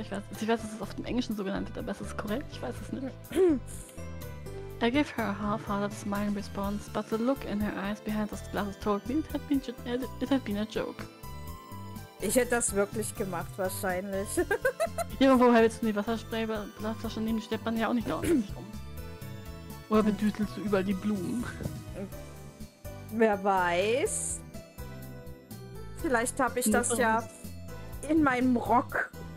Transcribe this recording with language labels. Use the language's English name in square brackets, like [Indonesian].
[German] Ich weiß, dass es auf dem Englischen so genannt wird, aber es ist korrekt. Ich weiß es nicht. [English] I gave her a half-hearted smile in response, but the look in her eyes behind those glasses told me it had been a joke. [German] Ich hätte das wirklich gemacht, wahrscheinlich. Ja, aber woher willst du die Wasserspray-Flasche nehmen? Die steppt man ja auch nicht ordentlich rum. Oder bedüstelst du überall die Blumen? Wer weiß. Vielleicht habe ich das ja in meinem Rock.